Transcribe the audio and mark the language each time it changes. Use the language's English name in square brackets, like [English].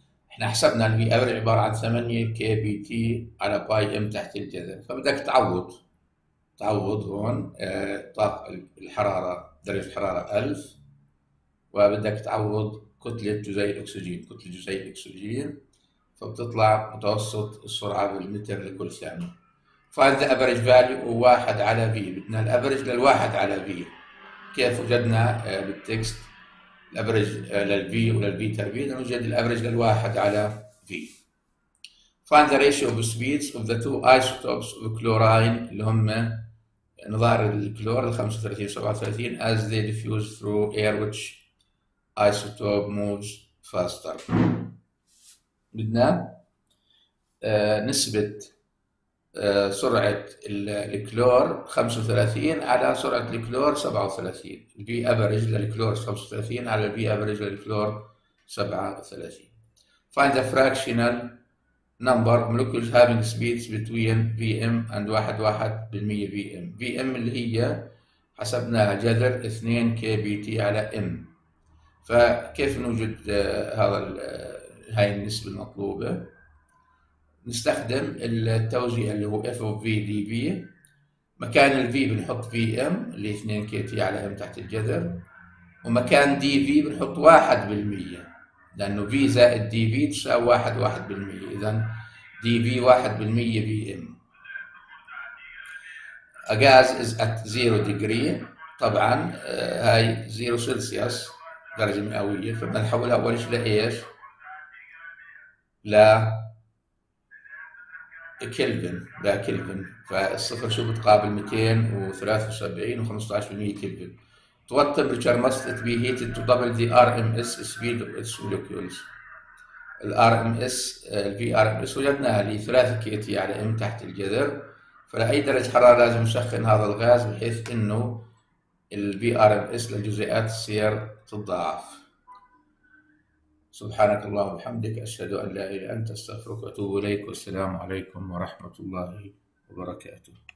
[Arabic] احنا حسبنا البي افرج عباره عن 8 كي بي تي على باي ام تحت الجذر، فبدك تعوض، تعوض هون طاقة الحرارة درجة الحرارة 1000، وبدك تعوض كتلة جزيء الأكسجين، كتلة جزيء الأكسجين، فبتطلع متوسط السرعة بالمتر لكل ثانية. [English] Find the average value [Arabic] هو 1 على V، بدنا الأفرج للواحد على V. كيف وجدنا بالتكست الأفرج للV وللV تربيع؟ نوجد الأفرج للواحد على V. [English] Find the ratio of speeds of the two isotopes of chlorine [Arabic] اللي هم نظائر الكلور [English] 35-37 as they diffuse through air which isotope moves faster. [Arabic] بدنا نسبة سرعة الكلور 35 على سرعة الكلور 37، البي أفرج للكلور 35 على البي أفرج للكلور 37. Find the fractional number molecules having speeds between Vm and 1:1 بالمية Vm. Vm اللي هي حسبناها جذر 2 kBT على m. فكيف نوجد هذا هاي النسبة المطلوبة؟ نستخدم التوزيع اللي هو f of v dv. مكان ال v بنحط Vm اللي 2 kT على m تحت الجذر، ومكان dv بنحط 1%، لأنه v زائد dv تساوي 1:1%. إذن dv 1% Vm. [English] A gas is at 0 degree. [Arabic] طبعا هاي 0 سلسياس درجة مئوية، فبدنا نحولها أول شيء لإيش؟ لا كلفن، لا كلفن. فالصفر شو بتقابل 273 و 15% كلفن. [English] What temperature must it be heated to double the RMS speed of its molecules. [Arabic] ال RMS ال VRMS وجدناها لـ 3 كيت على M تحت الجذر، فلأي درجة حرارة لازم نسخن هذا الغاز بحيث إنه ال VRMS للجزيئات تصير تضاعف. سبحانك اللهم وبحمدك، أشهد أن لا إله إلا أنت، أستغفرك وأتوب إليك، والسلام عليكم ورحمة الله وبركاته.